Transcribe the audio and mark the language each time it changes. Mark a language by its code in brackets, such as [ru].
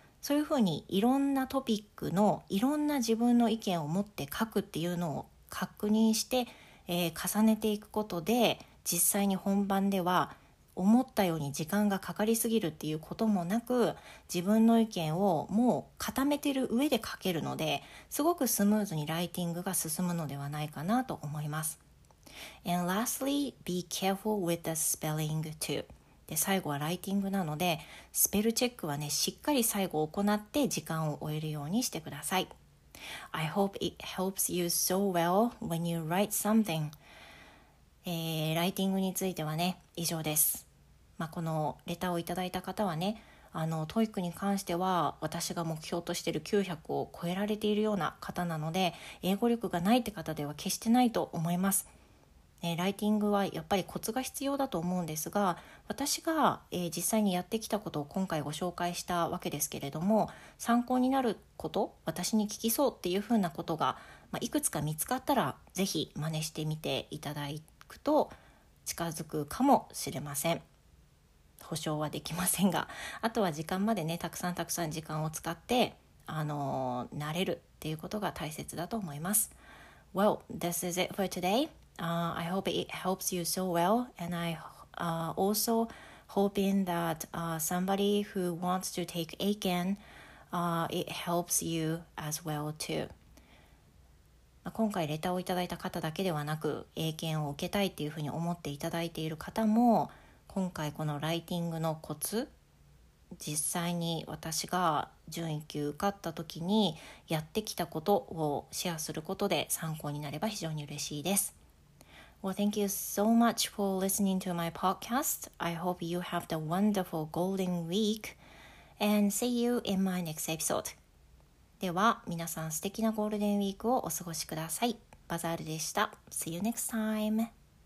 [ja] そういうふうにいろんなトピックのいろんな自分の意見を持って書くっていうのを確認して、重ねていくことで、実際に本番では思ったように時間がかかりすぎるっていうこともなく、自分の意見をもう固めてる上で書けるので、すごくスムーズにライティングが進むのではないかなと思います。 [en] And lastly, be careful with the spelling too. [ja] で、最後はライティングなので、スペルチェックはね、しっかり最後行って時間を終えるようにしてください。 [en] I hope it helps you so well when you write something. [ja] ライティングについてはね、以上です。まあ、このレターをいただいた方はね、TOEIC に関しては私が目標としている900を超えられているような方なので、英語力がないって方では決してないと思います。ライティングはやっぱりコツが必要だと思うんですが、私が、実際にやってきたことを今回ご紹介したわけですけれども、参考になること、私に聞きそうっていうふうなことが、まあ、いくつか見つかったら、ぜひ真似してみていただいて、くと近づくかもしれません。保証はできませんが、あとは時間までね、たくさんたくさん時間を使って慣れるっていうことが大切だと思います。 [en] Well, this is it for today. I hope it helps you so well, and I also hoping that somebody who wants to take Aiken, it helps you as well too. [ja] 今回レターをいただいた方だけではなく、英検を受けたいっていうふうに思っていただいている方も、今回このライティングのコツ、実際に私が準1級受かった時にやってきたことをシェアすることで参考になれば非常に嬉しいです。 [en] Well, thank you so much for listening to my podcast. I hope you have the wonderful golden week. And see you in my next episode. [ja] では、皆さん素敵なゴールデンウィークをお過ごしください。バザールでした。 [en] See you next time!